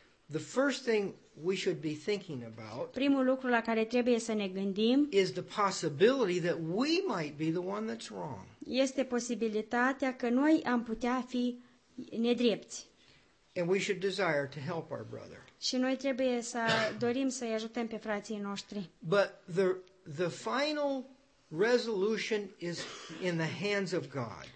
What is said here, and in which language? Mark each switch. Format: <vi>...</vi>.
<en>The first thing we should be thinking about,</en> <ro>primul lucru la care trebuie să ne gândim,</ro> <en>is the possibility that we might be the one that's wrong.</en> <ro>Este posibilitatea că noi am putea fi nedrepți.</ro> <en>And we should desire to help our brother.</en> <ro>Și noi trebuie să dorim să-i ajutăm pe frații noștri.</ro> <en>But the final resolution is in the hands of God.</en>